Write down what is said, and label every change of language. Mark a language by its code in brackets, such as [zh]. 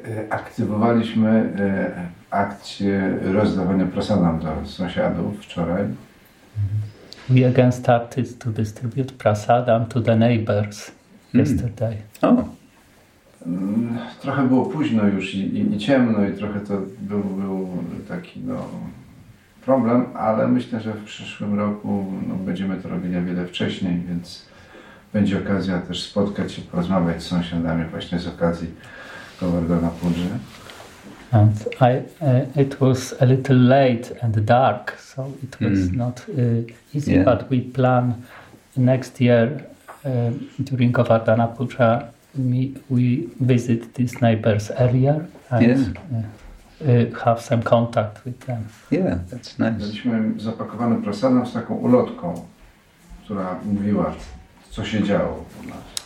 [pl] Aktywowaliśmy akcję rozdawania prasadam do sąsiadów wczoraj. [en] We again started to distribute prasadam to the neighbors yesterday. Oh. [pl] Trochę było późno już i ciemno i trochę to był taki no, problem, ale myślę, że w przyszłym roku no, będziemy to robili o wiele wcześniej, więc będzie okazja też spotkać się, porozmawiać z sąsiadami właśnie z okazji Govardhana Puja. [en] And it was a little late and dark, so it was not easy, yeah. But we plan next year during Govardhana Puja. We visit this neighbor's area and have some contact with them. Yeah, that's nice. [pl] Mieliśmy zapakowany prasadam z taką ulotką, która mówiła, co się działo u nas.